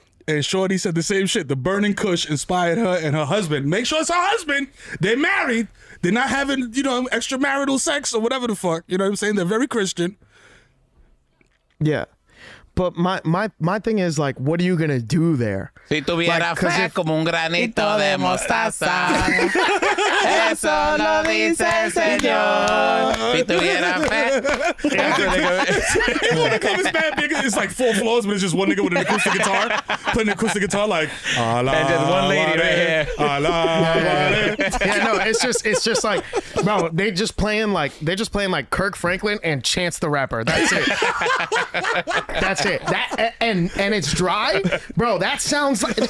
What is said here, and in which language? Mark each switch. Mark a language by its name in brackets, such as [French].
[English] And Shorty said the same shit. The burning kush inspired her and her husband. Make sure it's her husband. They're married. They're not having, you know, extramarital sex or whatever the fuck. You know what I'm saying? They're very Christian. Yeah. But my thing is, like, what are you going to do there? [Spanish] Si tuviera fe como un granito de mostaza. Eso lo dice el Señor. Si tuviera fe [English] You want to come as bad nigga? It's like four floors, but it's just one nigga with an acoustic guitar, playing acoustic guitar like. La, and just one lady right here. Yeah, no, it's just like, bro. They just playing like Kirk Franklin and Chance the Rapper. That's it. That's it. And it's dry, bro. That sounds like it.